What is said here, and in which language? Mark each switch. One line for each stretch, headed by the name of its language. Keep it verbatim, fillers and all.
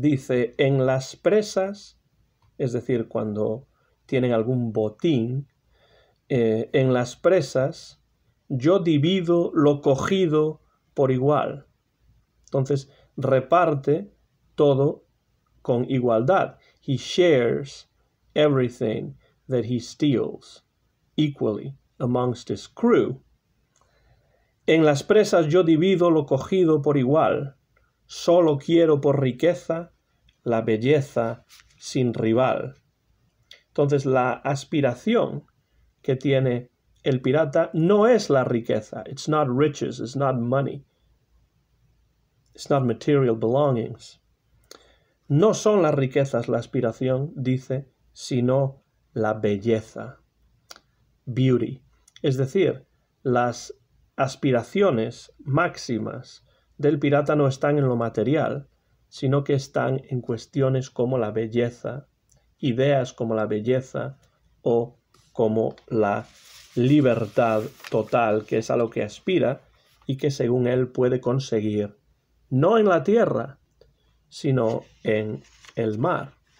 Spanish: Dice, en las presas, es decir, cuando tienen algún botín, eh, en las presas yo divido lo cogido por igual. Entonces, reparte todo con igualdad.
English: He shares everything that he steals equally amongst his crew.
Spanish: En las presas yo divido lo cogido por igual. Solo quiero por riqueza la belleza sin rival. Entonces, la aspiración que tiene el pirata no es la riqueza.
English: It's not riches, it's not money. It's not material belongings.
Spanish: No son las riquezas la aspiración, dice, sino la belleza. Beauty. Es decir, las aspiraciones máximas del pirata no están en lo material, sino que están en cuestiones como la belleza, ideas como la belleza o como la libertad total, que es a lo que aspira y que según él puede conseguir, no en la tierra, sino en el mar.